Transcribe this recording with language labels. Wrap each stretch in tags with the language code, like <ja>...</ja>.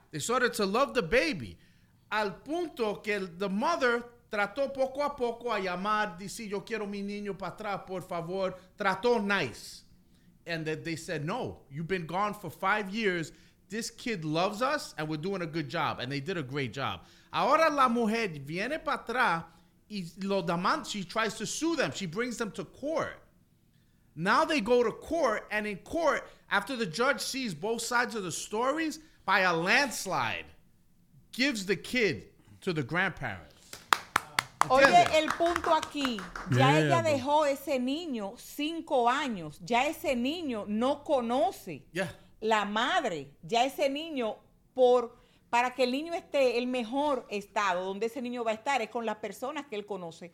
<en>They started to love the baby.</en> <es>Al punto que</es> <en>the mother</en> <es>trató poco a poco a llamar, dice, yo quiero mi niño para atrás, por favor. Trató nice.</es> <en>And they said, no, you've been gone for 5 years. This kid loves us and we're doing a good job. And they did a great job.</en> <es>Ahora la mujer viene para atrás y lo demanda.</es> <en>She tries to sue them. She brings them to court. Now they go to court, and in court, after the judge sees both sides of the stories, by a landslide, gives the kid to the grandparents.</en> <es>Oye, el punto aquí, ya ella dejó ese niño 5 años, ya ese niño no conoce la madre, ya ese niño, para que el niño esté el mejor estado, donde ese niño va a estar, es con las personas que él conoce.</es>